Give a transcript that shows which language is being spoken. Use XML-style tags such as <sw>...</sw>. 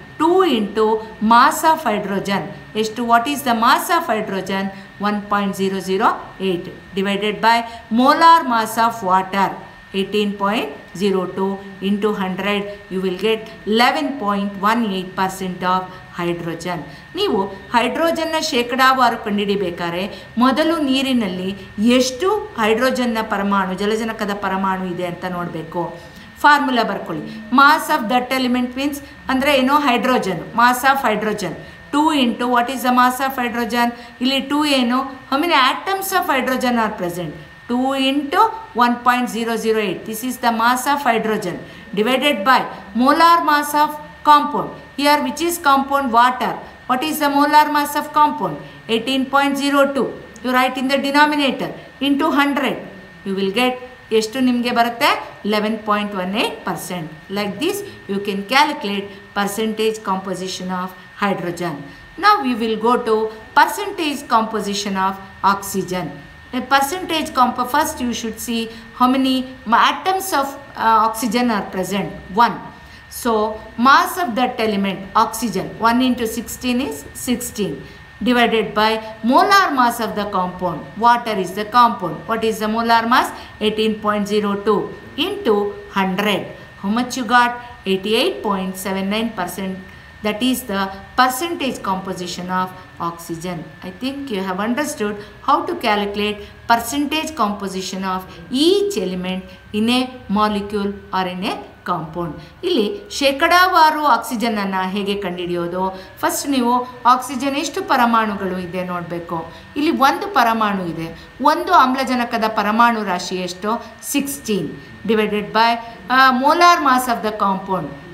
<en>2 into mass of hydrogen is to what is the mass of hydrogen? 1.008 divided by molar mass of water 18.02 into 100, you will get 11.18% of hydrogen.</en> <kn>ನೀವು ಹೈಡ್ರೋಜನ್ನ ಶೇಕಡಾವಾರು ಕಂಡುಹಿಡಿಬೇಕಾದ್ರೆ ಮೊದಲು ನೀರಿನಲ್ಲಿ ಎಷ್ಟು ಹೈಡ್ರೋಜನ್ನ ಪರಮಾಣು, ಜಲಜನಕದ ಪರಮಾಣು ಇದೆ ಅಂತ ನೋಡಬೇಕು. ಫಾರ್ಮುಲಾ ಬರ್ಕೊಳ್ಳಿ.</kn> <en>mass of that element means</en> <kn>ಅಂದರೆ ಏನೋ</kn> <en>hydrogen, mass of hydrogen 2 into what is the mass of hydrogen,</en> <kn>ಇಲ್ಲಿ 2 ಏನು,</kn> <en>How many atoms of hydrogen are present, 2 into 1.008, this is the mass of hydrogen divided by molar mass of compound. Here which is compound? Water. What is the molar mass of compound? 18.02. You write in the denominator into 100, you will get</en> <kn>ಎಷ್ಟು ನಿಮಗೆ ಬರುತ್ತೆ?</kn> <en>11.18%. Like this you can calculate percentage composition of hydrogen. ನಾವ್ we will go to percentage composition of oxygen. Percentage first you should see how many atoms of oxygen are present. 1. So mass of that element oxygen, 1 into 16 is 16 divided by molar mass of the compound. Water is the compound. What is the molar mass? 18.02 into 100. How much you got? 88.79%. That is the percentage composition of oxygen. I think you have understood how to calculate percentage composition of each element in a molecule or in a compound.</en> <kn>ಇಲ್ಲಿ ಶೇಕಡಾವಾರು oxygen ಅನ್ನು ಹೇಗೆ ಕಂಡುಹಿಡಿಯೋದು? First ನೀವು oxygen ಎಷ್ಟು ಪರಮಾಣುಗಳು ಇದೆ ನೋಡಬೇಕು. ಇಲ್ಲಿ ಒಂದು ಪರಮಾಣು ಇದೆ, ಒಂದು ಆಮ್ಲಜನಕದ ಪರಮಾಣು ರಾಶಿ ಎಷ್ಟು?</kn> <en>16 divided by molar mass of the compound.</en>